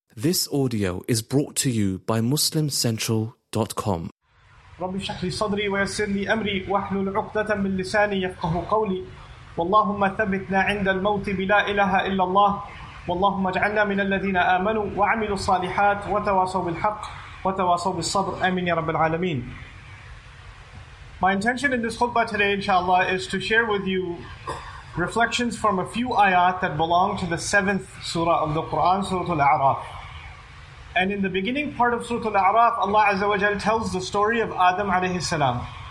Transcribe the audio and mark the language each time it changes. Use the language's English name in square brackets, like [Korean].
[English] This audio is brought to you by MuslimCentral.com. [Arabic] رب اشرح لي صدري ويسر لي امري واحلل عقدة من لساني يفقهوا قولي واللهم ثبتنا عند الموت بلا اله الا الله واللهم اجعلنا من الذين امنوا وعملوا الصالحات وتواصوا بالحق وتواصوا بالصبر امين يا رب العالمين. [English] My intention in this khutbah today, inshallah, is to share with you reflections from a few ayat that belong to the seventh surah of the Quran, Surah Al-A'raf. And in the beginning part of Surah Al-A'raf, Allah Azza wa Jal tells the story of Adam alayhi salam.